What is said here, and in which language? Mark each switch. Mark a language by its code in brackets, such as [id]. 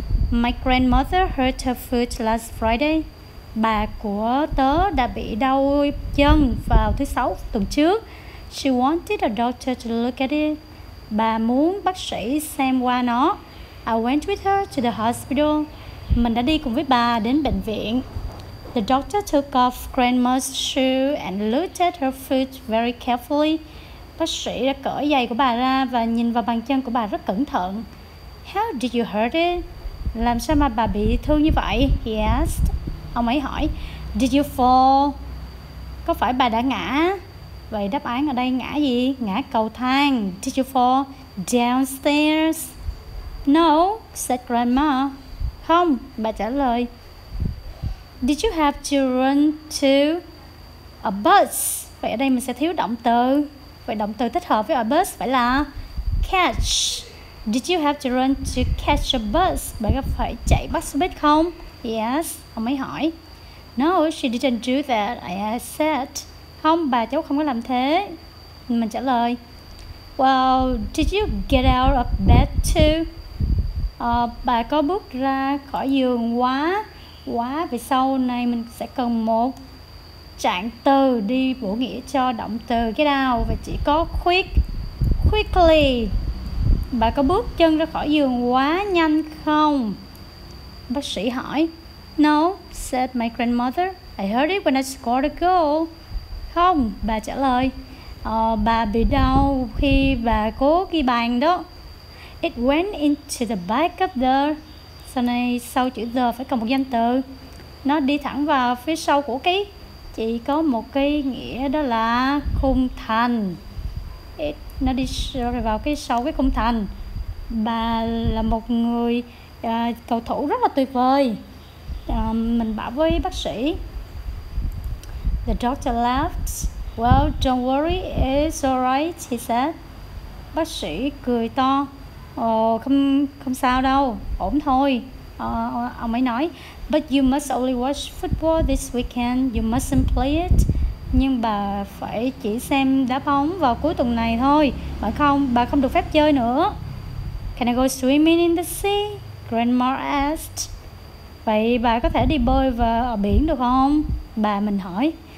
[en] My grandmother hurt her foot last Friday. [vi] Bà của tớ đã bị đau chân vào thứ sáu tuần trước. [en] She wanted a doctor to look at it. [vi] Bà muốn bác sĩ xem qua nó. [en] I went with her to the hospital. [vi] Mình đã đi cùng với bà đến bệnh viện. [en] The doctor took off grandma's shoe and looked at her foot very carefully. [vi] Bác sĩ đã cởi giày của bà ra và nhìn vào bàn chân của bà rất cẩn thận. [en] How did you hurt it? [vi] Làm sao mà bà bị thương như vậy? [en] He asked. [vi] Ông ấy hỏi. [en] Did you fall? [vi] Có phải bà đã ngã? Vậy đáp án ở đây ngã gì? Ngã cầu thang. [en] Did you fall downstairs? No, said grandma. [vi] Không, bà trả lời. [en] Did you have to run to a bus? [vi] Vậy ở đây mình sẽ thiếu động từ. Vậy động từ thích hợp với a bus phải là catch. [en] Did you have to run to catch a bus? [vi] Bà có phải chạy bus buýt không? Yes, ông ấy hỏi. [en] No, she didn't do that, I said. [vi] Không, bà cháu không có làm thế. Mình trả lời. [en] Well, did you get out of bed too? [vi] Bà có bước ra khỏi giường quá. Quá, vì sau này mình sẽ cần một trạng từ đi bổ nghĩa cho động từ get out. Và chỉ có quickly. Bà có bước chân ra khỏi giường quá nhanh không? Bác sĩ hỏi. [en] No, said my grandmother. I heard it when I scored a goal. [vi] Không, bà trả lời. Bà bị đau khi bà cố ghi bàn đó. [en] It went into the back of the. [vi] Sau này sau chữ the phải cần một danh từ. Nó đi thẳng vào phía sau của cái. Chỉ có một cái nghĩa đó là khung thành. Nó đi vào cái sau cái khung thành. Bà là một người cầu thủ rất là tuyệt vời. Mình bảo với bác sĩ. [en] The doctor laughed. Well, don't worry, it's alright, he said. [vi] Bác sĩ cười to. Không sao đâu, ổn thôi. Ông ấy nói. [en] But you must only watch football this weekend. You mustn't play it. [vi] Nhưng bà phải chỉ xem đá bóng vào cuối tuần này thôi. Mà không, bà không được phép chơi nữa. [en] Can I go swimming in the sea? Grandma asked. [vi] Vậy bà có thể đi bơi vào biển được không? Bà mình hỏi.